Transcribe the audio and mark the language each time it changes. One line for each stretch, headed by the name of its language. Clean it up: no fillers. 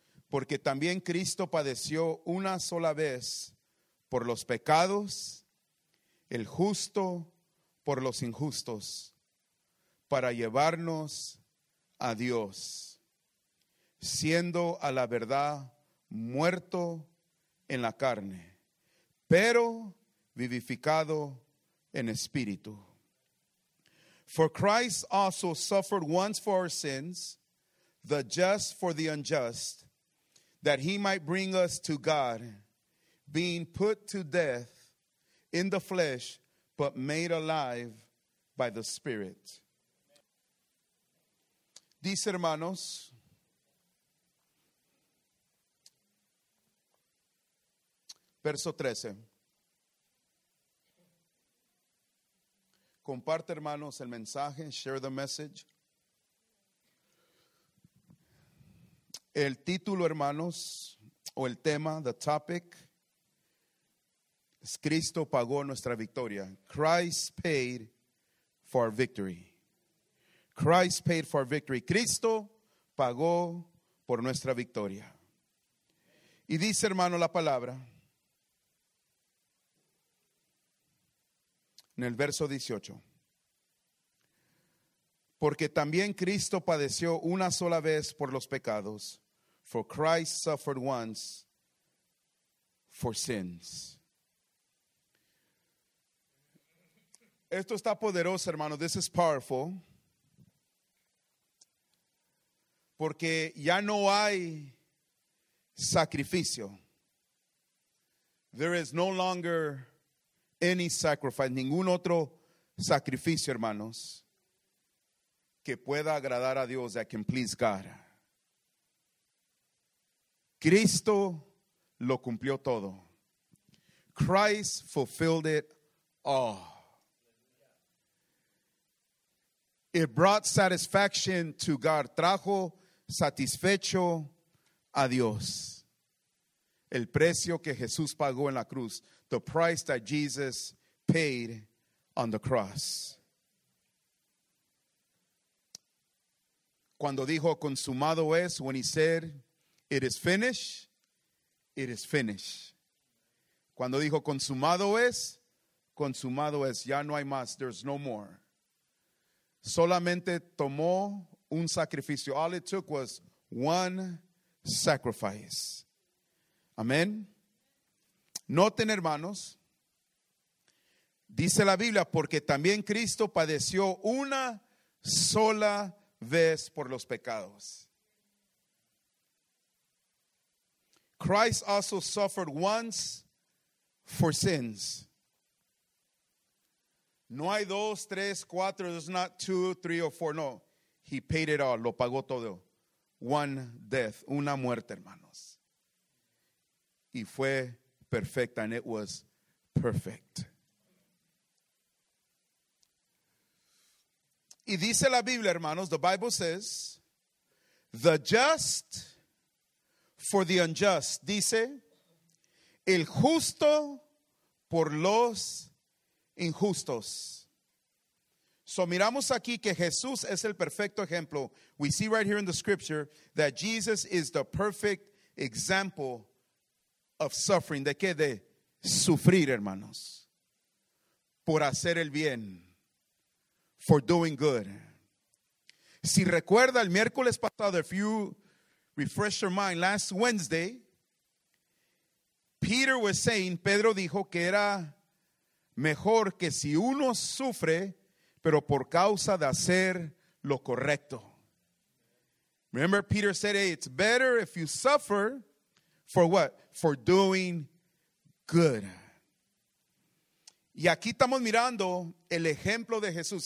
Spanish: Porque también Cristo padeció una sola vez por los pecados, el justo por los injustos, para llevarnos a Dios, siendo a la verdad muerto en la carne, pero vivificado en espíritu.
English: For Christ also suffered once for our sins, the just for the unjust, that he might bring us to God, being put to death in the flesh, but made alive by the Spirit.
Spanish: Dice, hermanos, verso 13. Comparte, hermanos, el mensaje,
English: share the message.
Spanish: El título, hermanos, o el tema,
English: the topic,
Spanish: es Cristo pagó nuestra victoria.
English: Christ paid for our victory. Christ paid for our victory.
Spanish: Cristo pagó por nuestra victoria. Y dice, hermano, la palabra, en el verso 18. Porque también Cristo padeció una sola vez por los pecados.
English: For Christ suffered once for sins.
Spanish: Esto está poderoso, hermano.
English: This is powerful.
Spanish: Porque ya no hay sacrificio.
English: There is no longer any sacrifice,
Spanish: ningún otro sacrificio, hermanos, que pueda agradar a Dios,
English: that can please God.
Spanish: Cristo lo cumplió todo.
English: Christ fulfilled it all. It brought satisfaction to God.
Spanish: Trajo satisfecho a Dios. El precio que Jesús pagó en la cruz.
English: The price that Jesus paid on the cross.
Spanish: Cuando dijo consumado es,
English: when he said, it is finished, it is finished.
Spanish: Cuando dijo consumado es, ya no hay más,
English: there's no more.
Spanish: Solamente tomó un sacrificio.
English: All it took was one sacrifice.
Spanish: Amén. Noten, hermanos, dice la Biblia, porque también Cristo padeció una sola vez por los pecados.
English: Christ also suffered once for sins.
Spanish: No hay dos, tres, cuatro.
English: There's not two, three, or four. No. He paid it all.
Spanish: Lo pagó todo.
English: One death.
Spanish: Una muerte, hermanos. Y fue perfecta.
English: And it was perfect.
Spanish: Y dice la Biblia, hermanos.
English: The Bible says, the just for the unjust,
Spanish: dice, el justo por los injustos. So miramos aquí que Jesús es el perfecto ejemplo.
English: We see right here in the scripture that Jesus is the perfect example of suffering.
Spanish: ¿De qué? De sufrir, hermanos. Por hacer el bien.
English: For doing good.
Spanish: Si recuerda el miércoles pasado,
English: if you refresh your mind, last Wednesday, Peter was saying,
Spanish: Pedro dijo que era mejor que si uno sufre, pero por causa de hacer lo correcto.
English: Remember, Peter said, hey, it's better if you suffer for what? For doing good.
Spanish: Y aquí estamos mirando el ejemplo de Jesús.